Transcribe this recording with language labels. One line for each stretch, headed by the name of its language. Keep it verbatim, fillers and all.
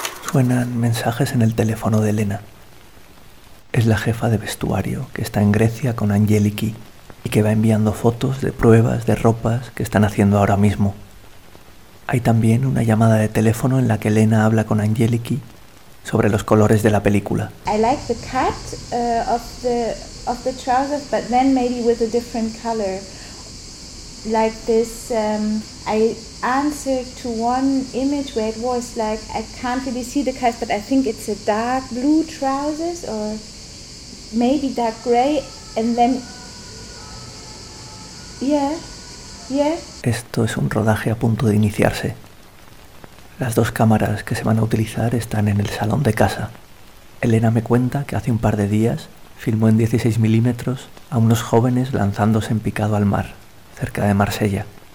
Spanish: Suenan mensajes en el teléfono de Elena. Es la jefa de vestuario que está en Grecia con Angeliki y que va enviando fotos de pruebas de ropas que están haciendo ahora mismo. Hay también una llamada de teléfono en la que Elena habla con Angeliki sobre los colores de la película.
English: I like the cut uh, of the of the trousers, but then maybe with a different color. Like this, um, I answered to one image where it was like I can't really see the cut, but I think it's a dark blue trousers or maybe dark gray, and then yeah, yeah.
Spanish: Esto es un rodaje a punto de iniciarse. Las dos cámaras que se van a utilizar están en el salón de casa. Elena me cuenta que hace un par de días filmó en dieciséis milímetros a unos jóvenes lanzándose en picado al mar, cerca de Marsella.